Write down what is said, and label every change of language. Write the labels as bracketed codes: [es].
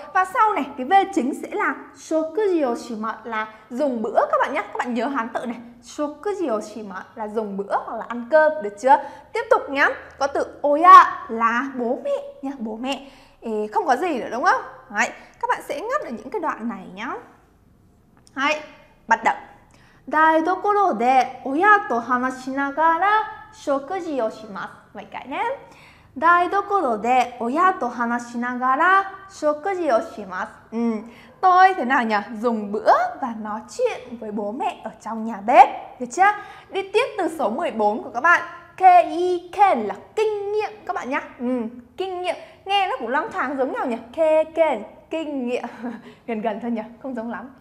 [vi] Và sau này cái vê chính sẽ là [ja] Shokuji o shimasu [vi] là dùng bữa các bạn nhá. Các bạn nhớ hán tự này. [ja] Shokuji o shimasu [vi] là dùng bữa hoặc là ăn cơm, được chưa? Tiếp tục nhá. Có từ Oya là bố mẹ nhá. Bố mẹ. Ê, không có gì nữa đúng không? Đấy, các bạn sẽ ngắt ở những cái đoạn này nhá. Đấy, bắt đầu. [ja] 台所で親と話しながら食事をします。もう一回ね。台所で親と話しながら食事をします。 [vi] Tôi thế nào nhỉ? Dùng bữa và nói chuyện với bố mẹ ở trong nhà bếp. Được chưa? Đi tiếp từ số 14 của các bạn. Keiken là kinh nghiệm các bạn nhé. Kinh nghiệm. Nghe nó cũng lăng thoáng giống nhau nhỉ? Keiken, kinh nghiệm. Gần gần thôi nhỉ? Không giống lắm.